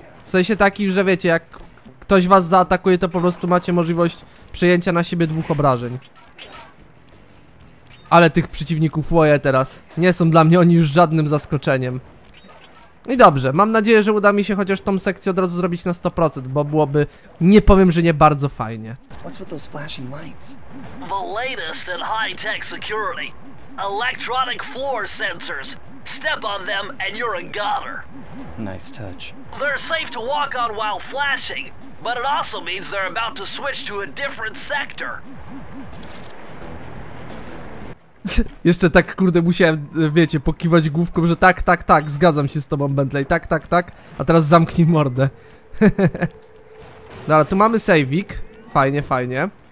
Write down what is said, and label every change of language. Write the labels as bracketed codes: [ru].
[pl] W sensie taki, że wiecie, jak ktoś was zaatakuje, to po prostu macie możliwość przyjęcia na siebie 2 obrażeń. Ale tych przeciwników łoję teraz. Nie są dla mnie oni już żadnym zaskoczeniem. I dobrze, mam nadzieję, że uda mi się chociaż tą sekcję od razu zrobić na 100%, bo byłoby, nie powiem, że nie bardzo fajnie. [en] What's with those flashing lights? The latest in high-tech security. Electronic floor sensors. Step on them and you're a goner. Nice touch. They're safe to walk on while flashing, but it also means they're about to switch to a different sector. [pl] Jeszcze tak, kurde, musiałem, wiecie, pokiwać główką, że tak, tak, tak, zgadzam się z tobą, Bentley, tak, tak, tak, a teraz zamknij mordę. Dobra, tu mamy sejwik, fajnie, fajnie.